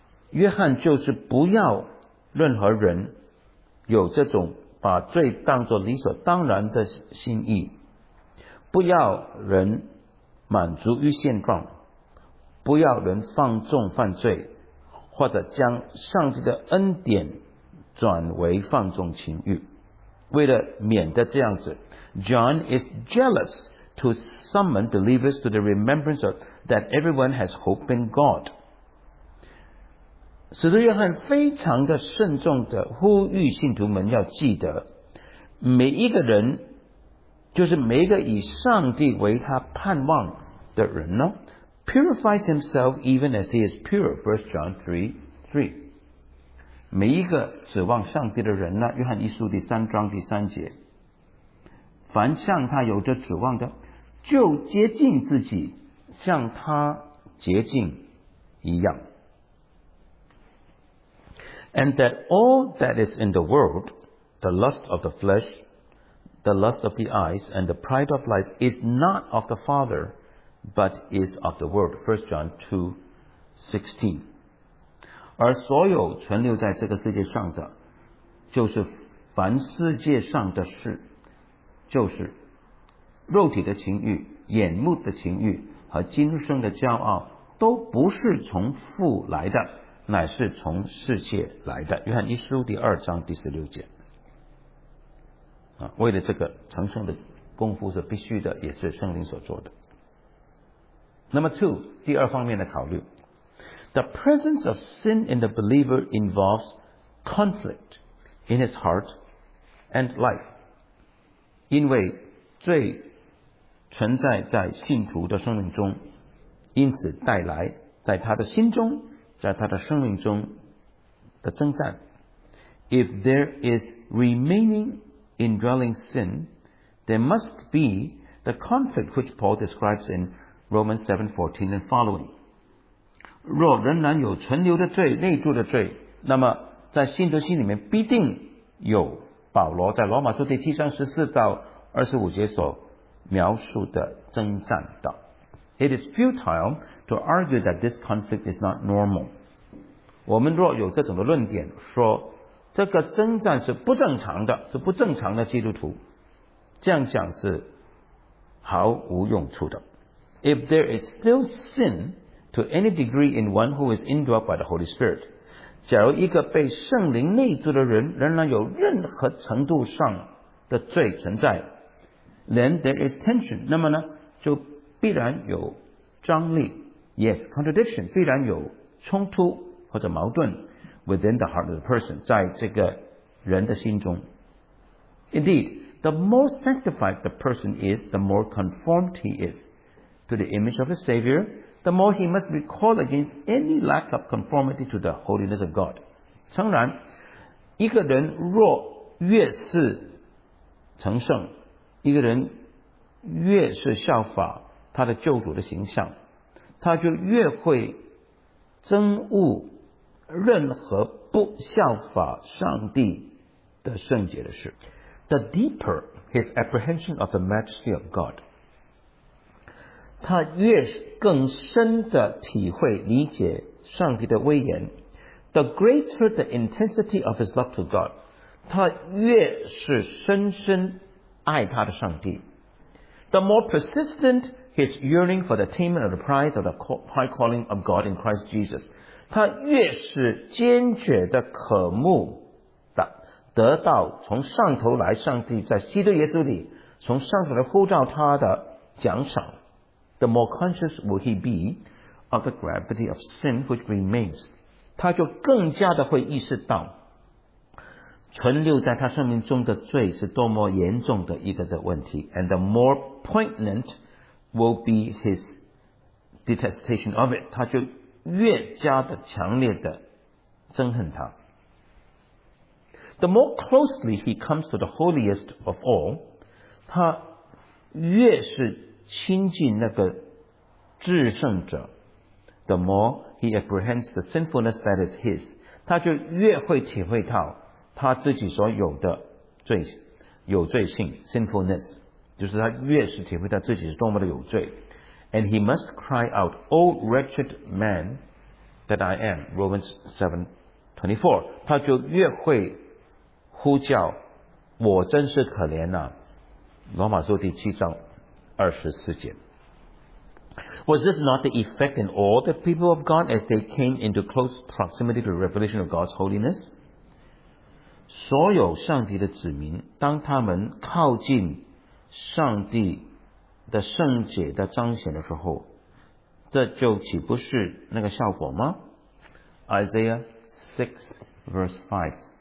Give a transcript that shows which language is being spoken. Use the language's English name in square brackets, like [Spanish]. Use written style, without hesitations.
[Chinese] 约翰就是不要任何人有这种把罪当作理所当然的心意，不要人满足于现状，不要人放纵犯罪，或者将上帝的恩典转为放纵情欲。为了免得这样子， [English] John is jealous to summon believers to the remembrance of that everyone has hope in God. [Chinese] 使徒约翰非常的慎重的呼吁信徒们要记得，每一个人，就是每一个以上帝为他盼望的人呢， [English] purifies himself even as he is pure, 1 John 3:3. [Chinese] 每一个指望上帝的人呢，约翰一书第三章第三节，凡向他有着指望的，就洁净自己，像他洁净一样。 [English] And that all that is in the world, the lust of the flesh, the lust of the eyes, and the pride of life is not of the Father,but is of the world. 1 John 2:16. [Chinese] 而所有存留在这个世界上的，就是凡世界上的事，就是肉体的情欲、眼目的情欲和今生的骄傲，都不是从父来的，乃是从世界来的。约翰一书第二章第十六节。为了这个成圣的功夫是必须的，也是圣灵所做的。 [English] Number two, [Chinese] 第二方面的考虑。 [English] The presence of sin in the believer involves conflict in his heart and life. [Chinese] 因为罪存在在信徒的生命中，因此带来在他的心中，在他的生命中的征战。 [English] If there is remaining indwelling sin, there must be the conflict which Paul describes in Romans 7:14 and following. [Chinese] 若仍然有存留的罪，内住的罪，那么在信徒心里面必定有保罗在罗马书第七章十四到二十五节所描述的征战道。 [English] It is futile to argue that this conflict is not normal. [Chinese] 我们若有这种的论点，说这个征战是不正常的，是不正常的基督徒，这样讲是毫无用处的。 [English] If there is still sin to any degree in one who is indwelt by the Holy Spirit, [Chinese] 假如一个被圣灵内住的人仍然有任何程度上的罪存在， [English] then there is tension. [Chinese] 那么呢，就必然有张力。 [English] Yes, contradiction. [Chinese] 必然有冲突或者矛盾。 [English] Within the heart of the person, [Chinese] 在这个人的心中。 [English] Indeed, the more sanctified the person is, the more conformed he is to the image of his Savior, the more he must recoil against any lack of conformity to the holiness of God. [Chinese] 诚然，一个人若越是成圣，一个人越是效法他的救主的形象，他就越会憎恶任何不效法上帝的圣洁的事。 [English] The deeper his apprehension of the majesty of God, [Chinese] 他越更深的体会理解上帝的威严， [English] The greater the intensity of his love to God, [Chinese] 他越是深深爱他的上帝， [English] The more persistent his yearning for the attainment of the prize of the high calling of God in Christ Jesus, [Chinese] 他越是坚决的渴慕的得到从上头来上帝在基督耶稣里从上头来呼召他的奖赏， [English] The more conscious will he be of the gravity of sin which remains. [Chinese] 他就更加的会意识到存留在他生命中的罪是多么严重的一个的问题， [English] And the more poignant will be his detestation of it. [Chinese] 他就越加的强烈的憎恨他。 [English] The more closely he comes to the holiest of all, [Chinese] 他越是亲近那个至圣者， [English] The more he apprehends the sinfulness that is his, [Chinese] 他就越会体会到他自己所有的罪，有罪性 sinfulness, 就是他越是体会到自己是多么的有罪。 [English] And he must cry out, O wretched man that I am, Romans 7:24. [Chinese] 他就越会呼叫我真是可怜啊，罗马书第七章二十四节。 [English] Was this not the effect in all the people of God as they came into close proximity to the revelation of God's holiness? [Chinese] 所有上帝的子民，当他们靠近上帝的圣洁的彰显的时候，这就岂不是那个效果吗？ [English] Isaiah 6 verse 5，